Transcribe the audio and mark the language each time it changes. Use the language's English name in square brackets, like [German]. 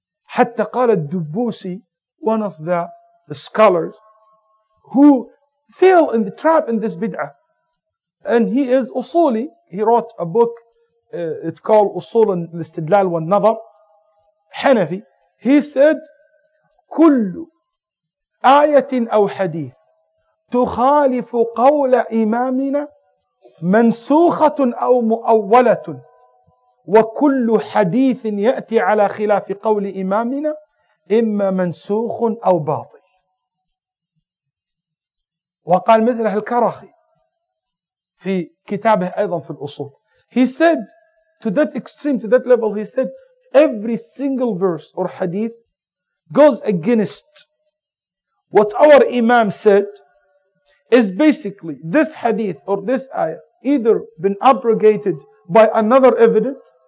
[Arabic] حتى قال [English] الدبوسي, one of the scholars who fell in the trap in this bid'ah. And he is أصولي. He wrote a book, it's called أصول الاستدلال والنظر. Hanafi. He said, [Arabic] كل آية أو حديث تخالف قول إمامنا منسوخة أو مؤولة وكل حديث يأتي على خلاف قول إمامنا إما منسوخ أو باطل. وقال مثله الكرخي في كتابه أيضا في الأصول. [English] He said to that extreme, to that level, he said every single verse or hadith goes against what our Imam said is basically this hadith or this ayah either been abrogated by another evidence,